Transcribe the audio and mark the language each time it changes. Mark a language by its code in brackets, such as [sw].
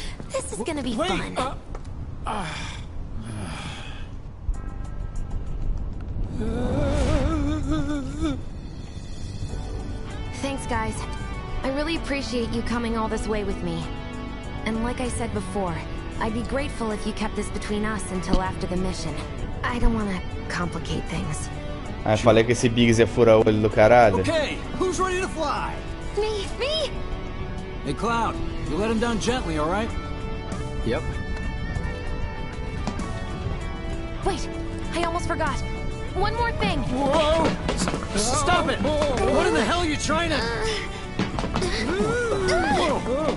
[en] This is gonna be fun. Thanks, guys. I really appreciate you coming all this way with me. And like I said before, I'd be grateful if you kept this between us until after the mission. I don't want to complicate things. [pt] Ah, falei que esse Biggs ia furar o olho do caralho. [en] Okay, who's ready to fly? Me? Hey, Cloud, you let him down gently, all right? Yep. Wait, I almost forgot. One more thing. Whoa! Stop it! What in the hell are you trying to...